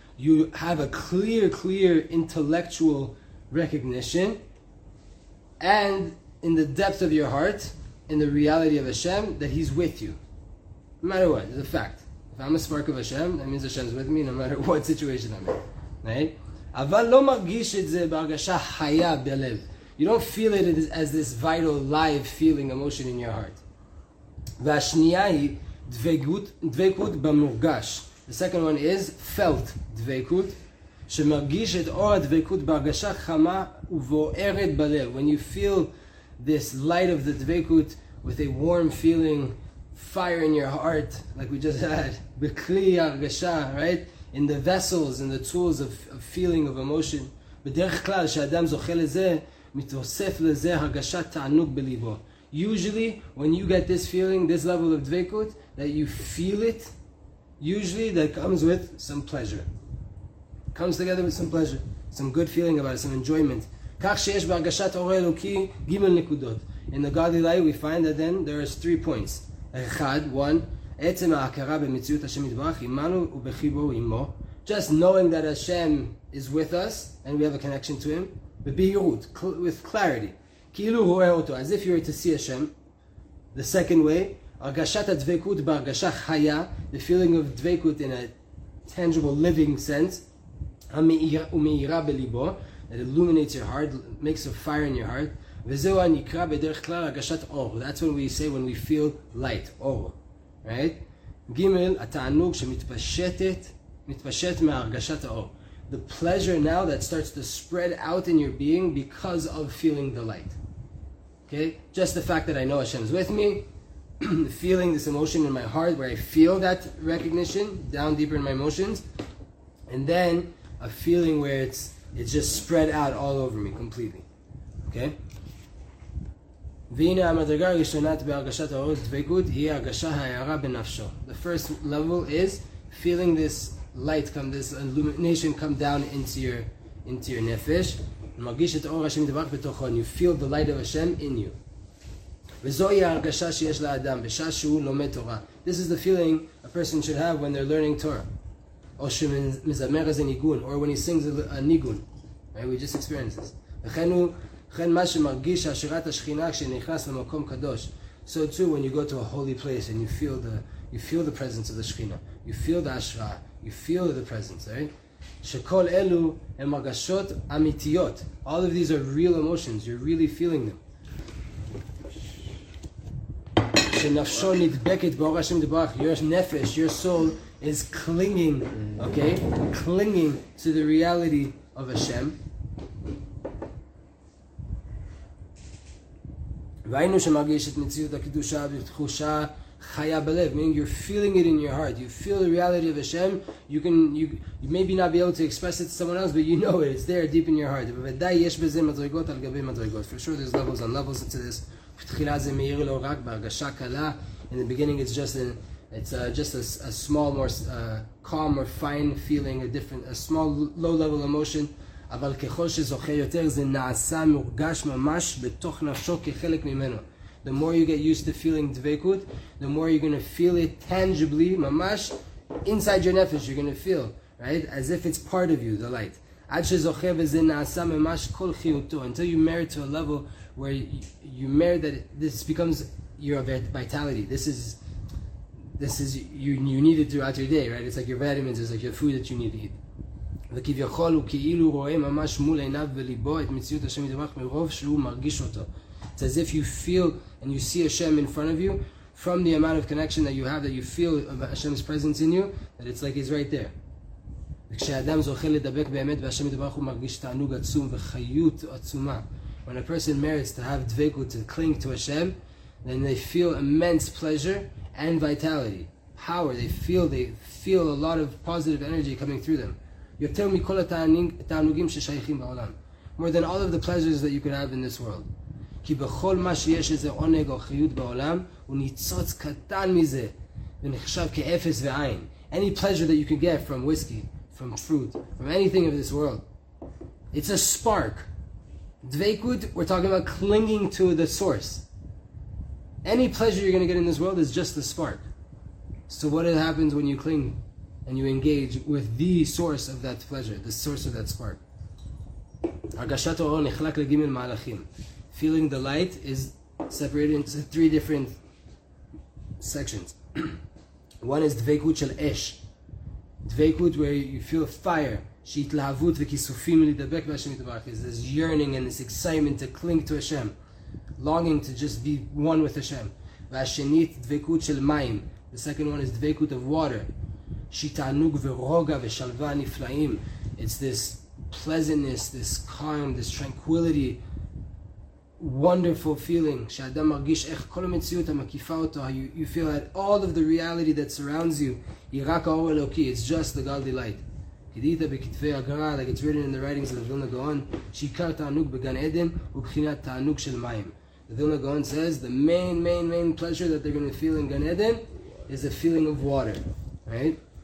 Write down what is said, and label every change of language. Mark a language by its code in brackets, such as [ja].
[en] You have a clear, clear intellectual recognition, and in the depth of your heart, in the reality of Hashem, that He's with you. No matter what, it's a fact. If I'm a spark of Hashem, that means Hashem's with me no matter what situation I'm in. Right? [he] אבל לא מרגיש את זה בהרגשה חיה בלב. [en] You don't feel it as this vital, live feeling, emotion in your heart. [he] והשנייה היא דבקות במורגש. [en] The second one is felt [he] דבקות, שמרגיש את אור הדבקות בהרגשה חמה ובוערת בלב. [en] When you feel this light of the דבקות with a warm feeling, fire in your heart, like we just had, [he] בכלי הרגשה, [en] right? In the vessels, in the tools of feeling, of emotion. [he] בדרך כלל, שאדם זוכה לזה, מתוסף לזה הרגשת תענוג בליבו. [en] Usually, when you get this feeling, this level of dveikut, that you feel it, usually that comes with some pleasure. Comes together with some pleasure, some good feeling about it, some enjoyment. [he] כך שיש בהרגשת אור אלוקי ג' נקודות. [en] In the godly light, we find that then there is 3 points. [he] אחד, one, עצם ההכרה במציאות השם יתברך עמנו ובחיבור עמו. [en] Just knowing that Hashem is with us and we have a connection to Him. [he] בבהירות, [en] with clarity. [he] כאילו רואה אותו, [en] as if you were to see Hashem. The second way, [he] הרגשת הדבקות בהרגשה חיה, [en] the feeling of דבקות in a tangible living sense, [he] ומאירה בליבו, [en] that illuminates your heart, makes a fire in your heart. [he] וזהו הנקרא בדרך כלל הרגשת אור. [en] That's what we say when we feel light, אור. Right? [he] Gimel, התענוג שמתפשט מהרגשת האור. [en] The pleasure now that starts to spread out in your being because of feeling the light. Okay? Just the fact that I know Hashem is with me, feeling this emotion in my heart where I feel that recognition down deeper in my emotions, and then a feeling where it's just spread out all over me completely. Okay? [he] והנה המדרגה הראשונת בהרגשת האורות דבקות היא הרגשה הערה בנפשו. [en] The first level is feeling this light come, this illumination come down into your נפש. [he] מרגיש את אור השם דבר בתוכו. [en] You feel the light of Hashem in you. [he] וזוהי ההרגשה שיש לאדם בשעה שהוא לומד תורה. [en] This is the feeling a person should have when they're learning Torah. [he] או שמזמר איזה ניגון. [en] Or when he sings a ניגון. Right? We just experienced this. [he] וכן הוא... וכן מה שמרגיש השירת השכינה כשנכנס למקום קדוש. [en] So too, when you go to a holy place and you feel the presence of the שכינה, you feel the השראה, you feel the presence, right? [he] שכל אלו הם מרגשות אמיתיות. [en] All of these are real emotions, you're really feeling them. [he] שנפשו נדבקת באור השם דברך, [en] your נפש, your soul is clinging, okay? Clinging to the reality of Hashem. [he] ראינו שמרגיש את מציאות הקדושה בתחושה חיה בלב. [en] Meaning you're feeling it in your heart. You feel the reality of Hashem. You maybe not be able to express it to someone else, but you know it. It's there deep in your heart. [he] ובוודאי יש בזה מדרגות על גבי מדרגות. [en] For sure there's levels and levels into this. [he] בתחילה זה מאיר לא רק בהרגשה קלה. [en] In the beginning it's just a small, more calm, or fine feeling, a small low level emotion. [he] אבל ככל שזוכה יותר, זה נעשה מורגש ממש בתוך נפשו כחלק ממנו. [en] The more you get used to feeling דבקות, the more you're going to feel it tangibly, ממש, inside your nefesh, you're going to feel, right? As if it's part of you, the light. [he] עד שזוכה וזה נעשה ממש כל חיותו. [en] Until you merit to a level where you merit that this becomes your vitality. This is you need it throughout your day, right? It's like your vitamins, it's like your food that you need to eat. [he] וכביכול הוא כאילו רואה ממש מול עיניו וליבו את מציאות השם יתברך מרוב שהוא מרגיש אותו. [en] It's as if you feel and you see Hashem in front of you from the amount of connection that you have, that you feel Hashem's presence in you, that it's like he's right there. [he] וכשאדם זוכה לדבק באמת והשם יתברך הוא מרגיש תענוג עצום וחיות עצומה. [en] When a person merits to have dvekut, to cling to Hashem, then they feel immense pleasure and vitality, power. They feel a lot of positive energy coming through them. [he] יותר מכל התענוגים ששייכים בעולם. [en] More than all of the pleasures that you could have in this world. [he] כי בכל מה שיש איזה עונג או חיות בעולם, הוא ניצוץ קטן מזה, ונחשב כאפס ועין. [en] Any pleasure that you can get from whiskey, from fruit, from anything of this world, it's a spark. Dveikut, we're talking about clinging to the source. Any pleasure you're going to get in this world is just the spark. So what happens when you cling and you engage with the source of that pleasure, the source of that spark? [he] Hargashat Oro nechlak legimel ma'alachim. [en] Feeling the light is separated into three different sections. One is [he] dveikut shel esh. [en] Dveikut, where you feel fire. [he] שהתלהבות וכיסופים לדבק בהשם יתברך. [en] It's this yearning and this excitement to cling to Hashem. Longing to just be one with Hashem. [he] והשנית, דבקות של מים. [en] The second one is דבקות of water. [he] שתענוג ורוגע ושלווה נפלאים. [en] It's this pleasantness, this calm, this tranquility. Wonderful feeling. [he] שאדם מרגיש איך כל המציאות המקיפה אותו. [en] You feel that all of the reality that surrounds you [he] היא רק האור אלוקי. [en] It's just the godly light. [he] Kedita bekitvei agra, [en] like it's written in the writings of the Vilna Gaon, [he] shikar ta'anuk began Eden, ubkhinat ta'anuk shel mayim. [en] The Vilna Gaon says the main pleasure that they're going to feel in Gan Eden is the feeling of water, right?